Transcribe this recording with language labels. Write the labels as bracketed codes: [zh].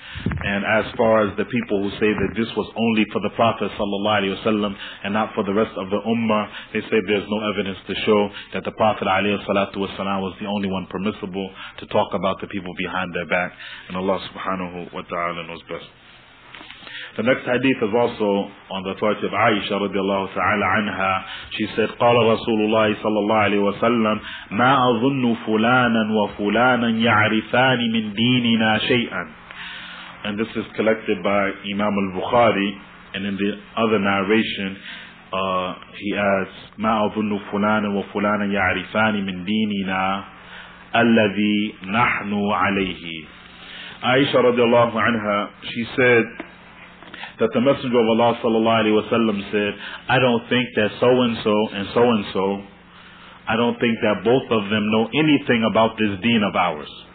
[en] And as far as the people who say that this was only for the Prophet sallallahu alaihi wasallam and not for the rest of the ummah, they say there's no evidence to show that the Prophet alayhi salatu wasallam was the only one permissible to talk about the people behind their back. And Allah subhanahu wa ta'ala knows best. The next hadith is also on the authority of Aisha radiallahu ta'ala anha. She said, [ar] قال رسول الله صلى الله عليه وسلم ما أظن فلانا وفلانا يعرفان من ديننا شيئا. [en] And this is collected by Imam al-Bukhari, and in the other narration he adds, [ar] ما أظن فلانا وفلانا يعرفان من ديننا الذي نحن عليه. [en] Aisha radiallahu anha, she said that the Messenger of Allah sallallahu alaihi wasallam said, I don't think that so-and-so and so-and-so, I don't think that both of them know anything about this deen of ours.